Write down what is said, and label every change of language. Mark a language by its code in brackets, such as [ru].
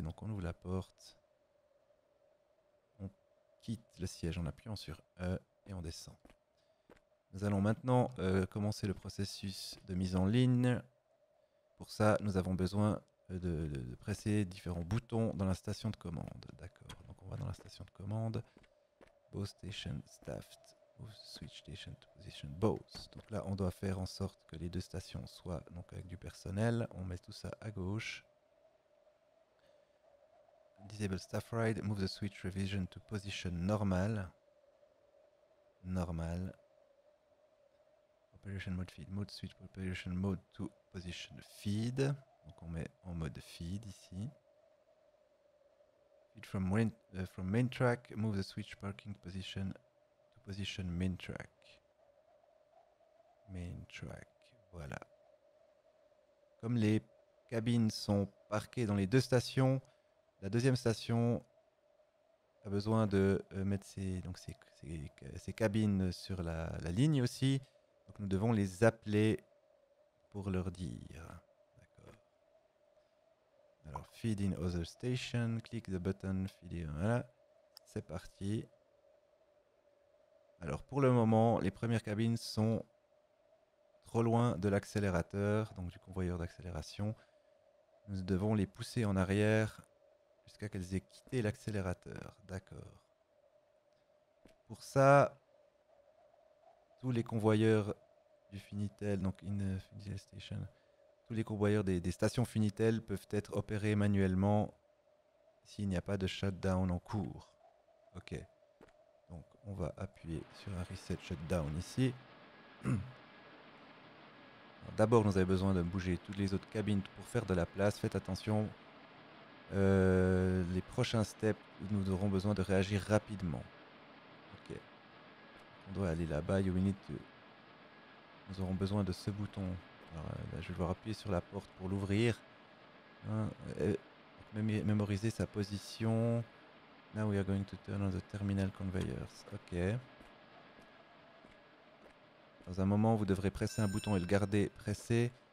[fr] Donc on ouvre la porte, quitte le siège en appuyant sur E et on descend. Nous allons maintenant commencer le processus de mise en ligne. Pour ça, nous avons besoin de presser différents boutons dans la station de commande. D'accord, donc on va dans la station de commande. [en] Bow Station Staffed, Move Switch Station to Position Bows. [fr] Donc là, on doit faire en sorte que les deux stations soient donc avec du personnel. On met tout ça à gauche. [en] Disable Staff Ride, Move the Switch Revision to Position Normal. Normal. Operation Mode Feed, Mode Switch Operation Mode to Position Feed. [fr] Donc on met en mode feed ici. [en] Feed from main track, move the switch parking position to position main track. Main track, voilà. [fr] Comme les cabines sont parquées dans les deux stations, la deuxième station a besoin de mettre ses cabines sur la ligne aussi. Donc nous devons les appeler pour leur dire. [en] Alors, feed in other station, click the button, feed in. [fr] Voilà, c'est parti. Alors, pour le moment, les premières cabines sont trop loin de l'accélérateur, donc du convoyeur d'accélération. Nous devons les pousser en arrière jusqu'à qu'elles aient quitté l'accélérateur. D'accord. Pour ça, tous les convoyeurs du Finitel, donc [en] in the station. [fr] Tous les convoyeurs des stations Finitel peuvent être opérés manuellement s'il n'y a pas de shutdown en cours. Ok. Donc on va appuyer sur un reset shutdown ici. D'abord, nous avons besoin de bouger toutes les autres cabines pour faire de la place. Faites attention. Les prochains steps, nous aurons besoin de réagir rapidement. Ok. On doit aller là-bas. [en] You need to. [fr] Nous aurons besoin de ce bouton. Alors là, je vais devoir appuyer sur la porte pour l'ouvrir. Hein, mémoriser sa position. [en] Now we are going to turn on the terminal conveyors. Ok. [fr] Dans un moment, vous devrez presser un bouton et le garder pressé.